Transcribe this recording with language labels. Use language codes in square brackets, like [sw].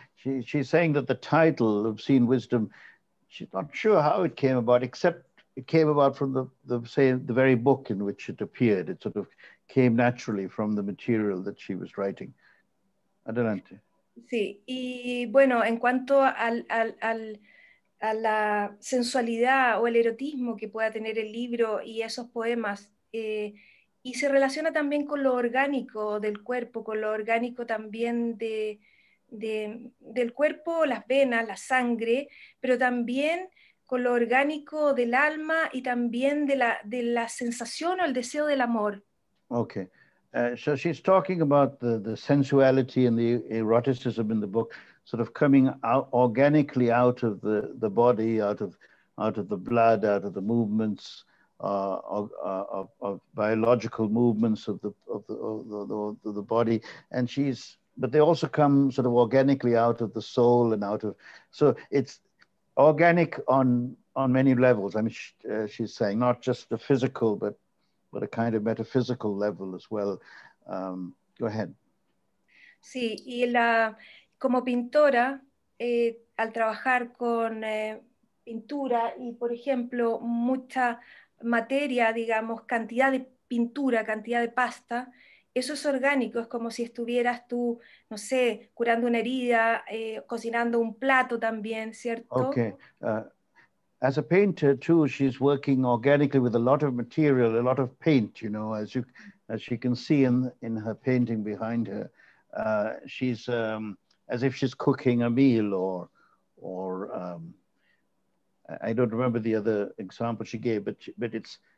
[en] She's saying that the title, Obscene Wisdom, she's not sure how it came about, except it came about from the very book in which it appeared. It sort of came naturally from the material that she was writing. [es] Adelante. Sí, y bueno, en cuanto a la sensualidad o el erotismo que pueda tener el libro y esos poemas, y se relaciona también con lo orgánico del cuerpo, con lo orgánico también del cuerpo, las venas, la sangre, pero también con lo orgánico del alma y también de la sensación o el deseo del amor. [en] Okay. So she's talking about the sensuality and the eroticism in the book, sort of coming out organically out of the body, out of the blood, out of the movements, of biological movements of the body. And she's, but they also come sort of organically out of the soul and out of, so it's organic on many levels. I mean, she's saying not just the physical, but a kind of metaphysical level as well. Go ahead. [es] Sí, y la, como pintora, al trabajar con pintura y, por ejemplo, mucha materia, digamos, cantidad de pintura, cantidad de pasta, eso es orgánico, es como si estuvieras tú, no sé, curando una herida, cocinando un plato también, ¿cierto? [en] Okay. As a painter too, she's working organically with a lot of material, a lot of paint, you know, as she can see in her painting behind her. She's as if she's cooking a meal or I don't remember the other example she gave, but it's